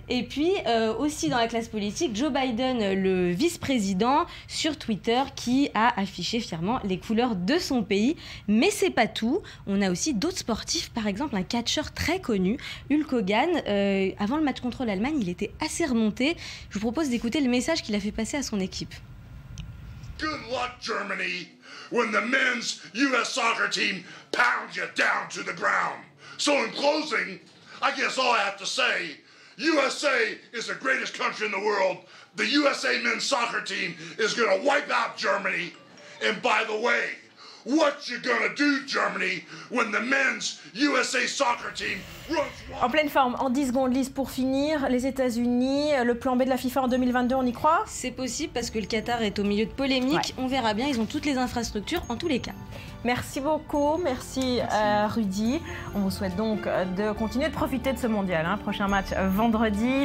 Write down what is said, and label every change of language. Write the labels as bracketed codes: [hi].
[fr] Et puis aussi dans la classe politique, Joe Biden, le vice-président, sur Twitter, qui a affiché fièrement les couleurs de son pays. Mais c'est pas tout, on a aussi d'autres sportifs, par exemple un catcheur très connu, Hulk Hogan. Avant le match contre l'Allemagne, il était assez remonté. Je vous propose d'écouter le message qu'il a fait passer à son équipe. [en] Good luck, Germany. when the men's U.S. soccer team pounds you down to the ground. So in closing, I guess all I have to say, USA is the greatest country in the world. The USA men's soccer team is going to wipe out Germany. And by the way, what you gonna do, Germany, when the men's USA soccer team runs... [fr] En pleine forme, en 10 secondes, Lise, pour finir, les États-Unis, le plan B de la FIFA en 2022, on y croit? C'est possible parce que le Qatar est au milieu de polémiques. Ouais. On verra bien, ils ont toutes les infrastructures en tous les cas. Merci beaucoup, merci. Rudy. On vous souhaite donc de continuer de profiter de ce mondial. Hein. Prochain match vendredi.